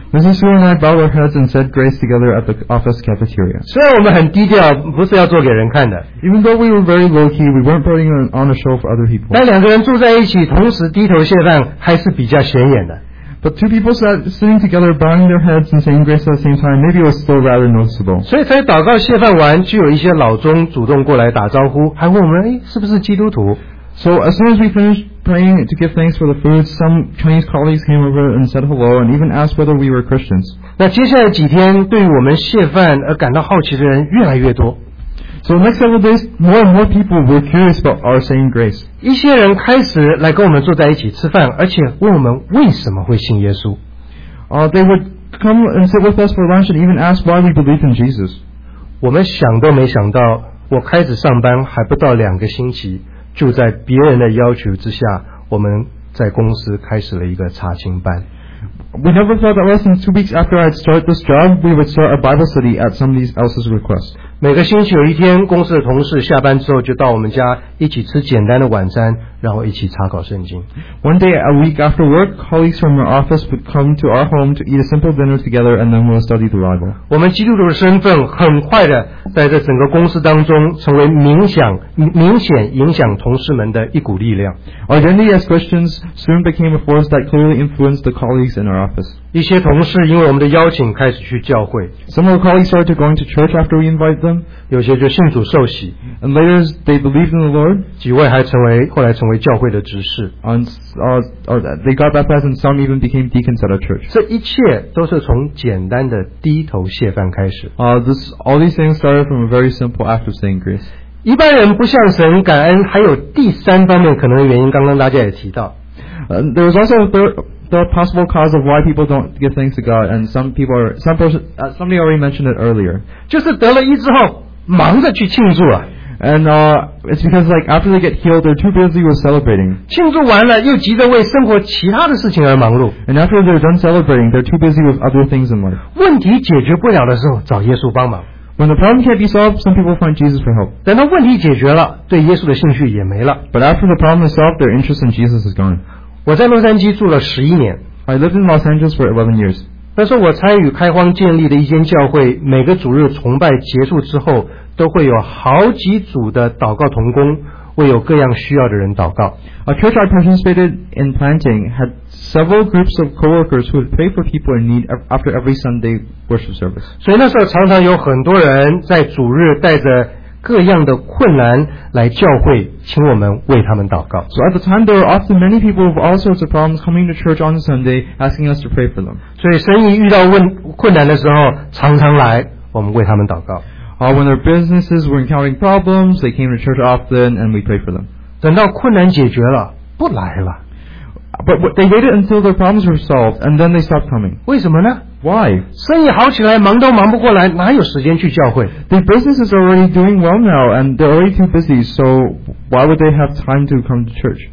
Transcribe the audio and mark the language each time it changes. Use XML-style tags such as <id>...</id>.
<en>Mrs. Su and I bowed our heads and said grace together at the office cafeteria.</en> <zh>虽然我们很低调，不是要做给人看的。</zh> <en>Even though we were very low key, we weren't putting on a show for other people.</en> <zh>但两个人住在一起，同时低头谢饭，还是比较显眼的。</zh> <en>But two people sat sitting together, bowing their heads and saying grace at the same time, maybe it was still rather noticeable.</en> <zh>所以才祷告谢饭完，就有一些老中主动过来打招呼，还问我们，哎，是不是基督徒？</zh> <en>So as soon as we finished praying to give thanks for the food, some Chinese colleagues came over and said hello and even asked whether we were Christians.</en> <zh>那接下来几天对我们谢饭而感到好奇的人越来越多。</zh> <en>So next several days, more and more people were curious about our saying grace.</en> <zh>一些人开始来跟我们坐在一起吃饭，而且问我们为什么会信耶稣。</zh> <en>They would come and sit with us for lunch and even ask why we believe in Jesus.</en> <zh>我们想都没想到，我开始上班还不到两个星期。就在别人的要求之下，我们在公司开始了一个查经班。</zh> <en>We never thought that less than 2 weeks after I'd start this job, we would start a Bible study at somebody else's request.</en> <zh>每个星期有一天，公司的同事下班之后就到我们家一起吃简单的晚餐，然后一起查考圣经。</zh> <en>One day a week after work, colleagues from our office would come to our home to eat a simple dinner together, and then we'll study the Bible.</en> <zh>我们基督徒的身份很快的在这整个公司当中成为明显影响同事们的一股力量。</zh> <en>Our identity as Christians soon became a force that clearly influenced the colleagues in our office.</en> <zh>一些同事因为我们的邀请开始去教会。</zh> <en>Some of our colleagues started going to church after we invited them.</en> <zh>有些就信主受洗。</zh> <en>And later they believed in the Lord.</en> <zh>几位还成为教会的执事</zh> <en>they got baptized and some even became deacons at a church.</en> <zh>这一切都是从简单的低头谢饭开始。</zh> <en>All these things started from a very simple act of saying grace.</en> <zh>一般人不向神感恩，还有第三方面可能的原因，刚刚大家也提到。</zh> <en>There was also the possible cause of why people don't give thanks to God, and somebody already mentioned it earlier.</en> <zh>就是得了医之后，忙着去庆祝啊。</zh> <en>And it's because like after they get healed, they're too busy with celebrating.</en> <zh>庆祝完了，又急着为生活其他的事情而忙碌。</zh> <en>And after they're done celebrating, they're too busy with other things in life.</en> <zh>问题解决不了的时候，找耶稣帮忙。</zh> <en>When the problem can't be solved, some people find Jesus for help.</en> <zh>等到问题解决了，对耶稣的兴趣也没了。</zh> <en>But after the problem is solved, their interest in Jesus is gone.</en> <zh>我在洛杉矶住了十一年。</zh> <en>I lived in Los Angeles for 11 years.</en> <zh>那时候我参与开荒建立的一间教会，每个主日崇拜结束之后。都会有好几组的祷告同工为有各样需要的人祷告。</zh> <en>A church I participated in planting had several groups of co-workers who would pray for people in need after every Sunday worship service.</en> <zh>所以那时候常常有很多人在主日带着各样的困难来教会，请我们为他们祷告。</zh> <en>So at the time, there were often many people with all sorts of problems coming to church on Sunday asking us to pray for them.</en> <zh>所以生意遇到困难的时候，常常来，我们为他们祷告。</zh> <en>When their businesses were encountering problems, they came to church often, and we prayed for them.</en> <zh>等到困难解决了，不来了。</zh> <en>But they waited until their problems were solved, and then they stopped coming.</en> <zh>为什么呢？</zh> <en>Why?</en> <zh>生意好起来，忙都忙不过来，哪有时间去教会？</zh> <en>Their business is already doing well now, and they're already too busy, so why would they have time to come to church?</en>